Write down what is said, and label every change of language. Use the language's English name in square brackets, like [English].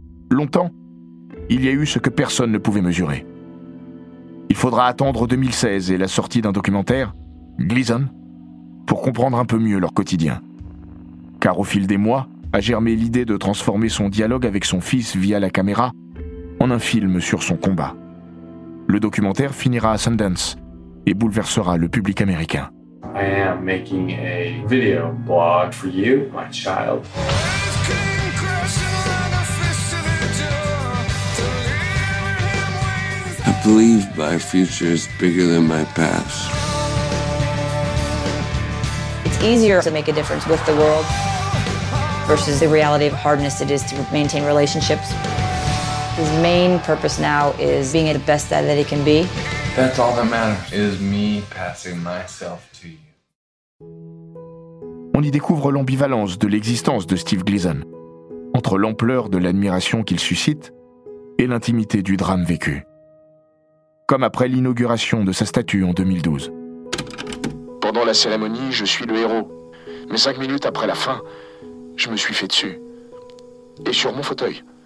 [French] Longtemps, il y a eu ce que personne ne pouvait mesurer. Il faudra attendre 2016 et la sortie d'un documentaire, Gleason, pour comprendre un peu mieux leur quotidien. Car au fil des mois, a germé l'idée de transformer son dialogue avec son fils via la caméra en un film sur son combat. Le documentaire finira à Sundance et bouleversera le public américain. [English] I am making a video blog for you, my child. I believe my future is bigger than my past. It's easier to make a difference with the world versus the reality of hardness it is to maintain relationships. His main purpose now is being the best dad that he can be. That's all that matters, is me passing myself to you. [French] On y découvre l'ambivalence de l'existence de Steve Gleason, entre l'ampleur de l'admiration qu'il suscite et l'intimité du drame vécu. Comme après l'inauguration de sa statue en 2012. Pendant la cérémonie, je suis le héros. Mais 5 minutes après la fin, je me suis fait dessus. Et sur mon fauteuil.